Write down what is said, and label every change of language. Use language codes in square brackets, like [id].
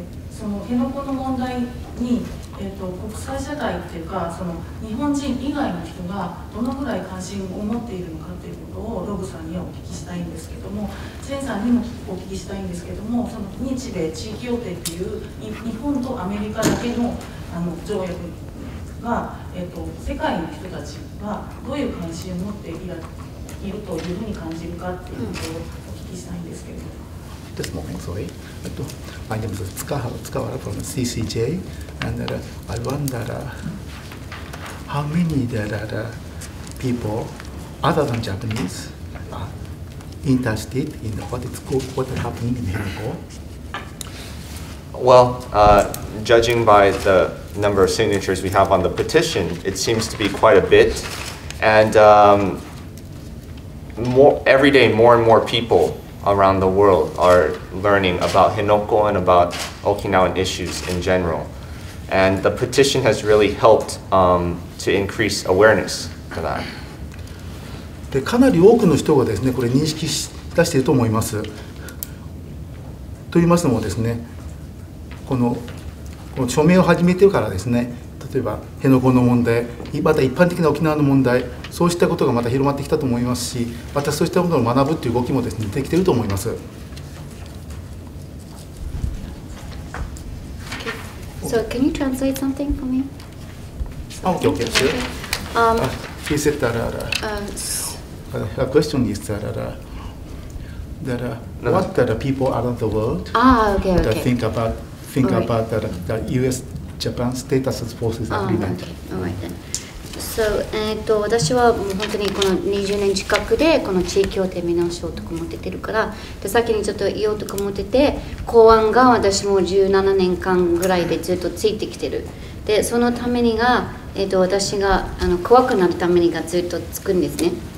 [ja] その辺野古の問題に、国際社会っていうか、その日本人以外の人がどのぐらい関心を持っているのかということをロブさんにお聞きしたいんですけども、チェンさんにもお聞きしたいんですけども、その日米地域協定っていう日本とアメリカだけ の条約が、世界の人たちはどういう関心を持っているというふうに感じるかということをお聞きしたいんですけど。 [en] This morning, sorry. My name is Tsukawa from CCJ, and I wonder how many there are people other than Japanese interested in what is happening in Henoko. Well, judging by the number of signatures we have on the petition, it seems to be quite a bit. And every day, more and more people around the world are learning about Henoko and about Okinawan issues in general. And the petition has really helped to increase awareness for that. [ja] で、かなり多くの人がですね、これ認識し出していると思います。と言いますのもですね、この署名を始めてからですね、例えば辺野古の問題、また一般的な沖縄の問題、そうしたことがまた広まってきたと思いますし、またそうしたものを学ぶという動きもですね、できていると思います。 [en] So, can you translate something for me? Okay, okay, sure. He said that her question is that what are the people around the world think about the US-Japan Status Forces Agreement. [ja] So, 私はもう本当にこの20年近くでこの地域協定見直しをとか思っててるから、で先にちょっと言おうとか思ってて、公安が私も17年間ぐらいでずっとついてきてる。でそのためにが、私があの怖くなるためにがずっとつくんですね。